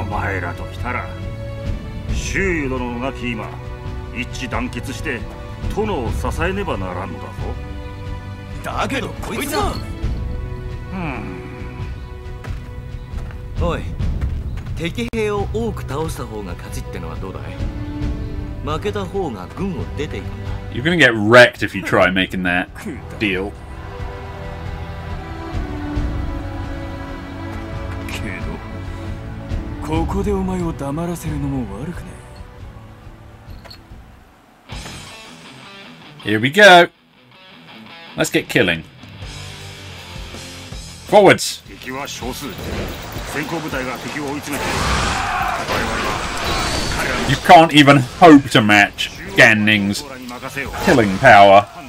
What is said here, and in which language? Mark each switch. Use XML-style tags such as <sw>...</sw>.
<ja>お前らと来たら、周囲殿が今、一致団結して、殿を支えねばならんのだぞ。だけど、こいつは。おい、敵兵を多く倒した方が勝ちってのはどうだい？負けた方が軍を出ていくんだ。</ja> <en>You're gonna get wrecked if you try making that deal.</en> <ja>けど、ここでお前を黙らせるのも悪くね。</ja> <en>Here we go. Let's get killing. Forwards.</en> <ja>敵は少数。先行部隊が敵を追い詰めて。</ja> <en>You can't even hope to match Ganning's killing power.</en>